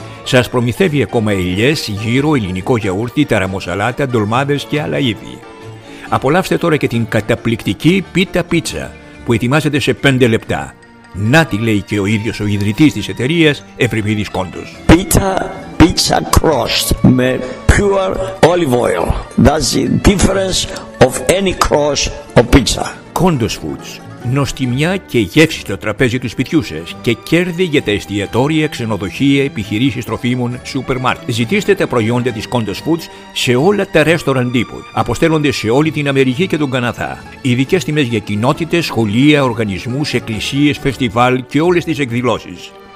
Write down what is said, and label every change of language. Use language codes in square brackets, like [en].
[el] Σας προμηθεύει ακόμα ελιές, γύρο, ελληνικό γιαούρτι, ταραμοσαλάτα, ντολμάδες και άλλα ύφη. Απολαύστε τώρα και την καταπληκτική πίτα πίτσα, που ετοιμάζεται σε 5 λεπτά. Να τη λέει και ο ίδιος ο ιδρυτής της εταιρείας, Ευρυπίδης Κόντος. [en] Pizza, pizza crust με pure olive oil. That's the difference of any crust or pizza. [el] Κόντος Foods. Νοστιμιά και γεύση στο τραπέζι του σπιτιού σας και κέρδη για τα εστιατόρια, ξενοδοχεία, επιχειρήσεις τροφίμων, σούπερ μάρκ. Ζητήστε τα προϊόντα της Condos Foods σε όλα τα ρέστοραν τύπου. Αποστέλλονται σε όλη την Αμερική και τον Καναδά. Ειδικές τιμές για κοινότητες, σχολεία, οργανισμούς, εκκλησίες, φεστιβάλ και όλες τις εκδηλώσεις.